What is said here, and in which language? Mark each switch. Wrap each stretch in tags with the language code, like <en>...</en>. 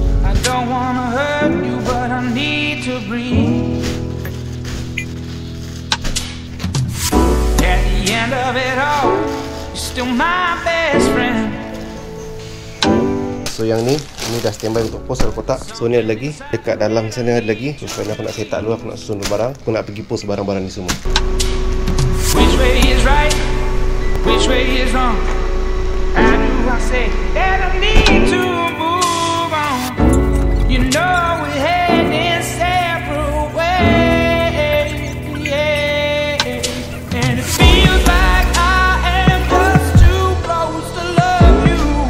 <en>I don't wanna hurt you, but I need to breathe. At the end of it all, you're still my best friend.</en> <ms>So yang ni, ni dah standby untuk post dalam kotak. So ni ada lagi, dekat dalam sana ada lagi. So sebab ni aku nak setak dulu, aku nak susun dulu barang. Aku nak pergi post barang-barang ni semua.</ms> <en>Which way is right? Which way is wrong? How do I say that I need to move on? You know we're heading separate ways, yeah. And it feels like I am just too close to love you.</en>